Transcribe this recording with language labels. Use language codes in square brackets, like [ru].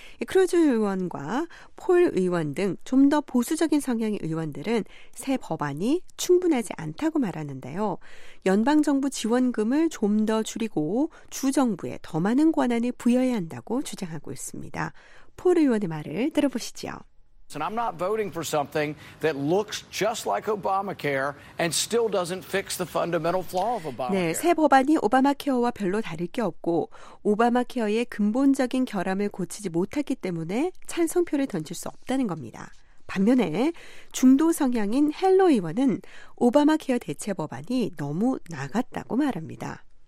[ko] 크루즈 의원과 폴 의원 등 좀 더 보수적인 성향의 의원들은 새 법안이 충분하지 않다고 말하는데요. 연방정부 지원금을 좀 더 줄이고 주정부에 더 많은 권한을 부여해야 한다고 주장하고 있습니다. 폴 의원의 말을 들어보시죠. [en] And I'm not voting for something that looks just like Obamacare and still doesn't fix the fundamental flaw of Obamacare. [ko] 네, 새 법안이 오바마케어와 별로 다를 게 없고 오바마케어의 근본적인 결함을 고치지 못했기 때문에 찬성표를 던질 수 없다는 겁니다. 반면에 중도 성향인 헬로 의원은 오바마케어 대체 법안이 너무 나갔다고 말합니다.